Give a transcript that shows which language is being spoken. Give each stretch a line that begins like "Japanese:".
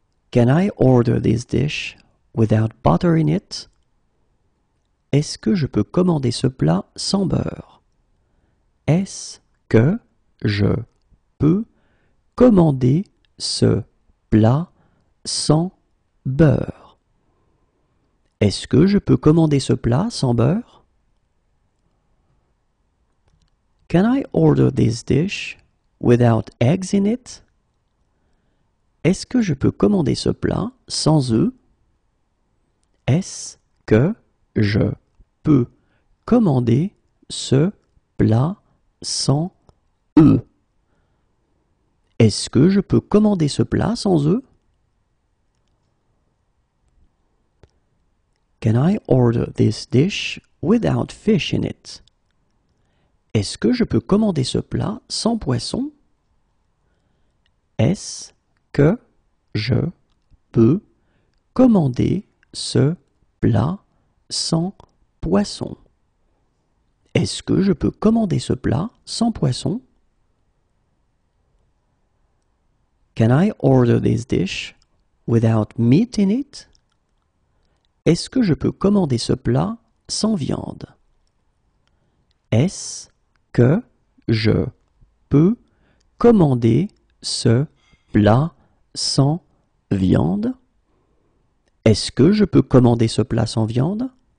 English: Can I order this dish without butter in it?
French: Est-ce que je peux commander ce plat sans beurre? Est-ce que je peux commander ce plat sans beurre? Est-ce que je peux commander ce plat sans beurre?
English: Can I order this dish without eggs in it?
French: Est-ce que je peux commander ce plat sans œufs? Est-ce que je peux commander ce plat sans œufs? Est-ce que je peux commander ce plat sans œufs?
English: Can I order this dish without fish in it?
French: Est-ce que je peux commander ce plat sans poisson? Est-ce que je peux commander ce plat sans poisson? Est-ce que je peux commander ce plat sans poisson?
English: Can I order this dish without meat in it?
French: Est-ce que je peux commander ce plat sans viande? Est-ce que je peux commander ce plat sans viande? Est-ce que je peux commander ce plat sans viande?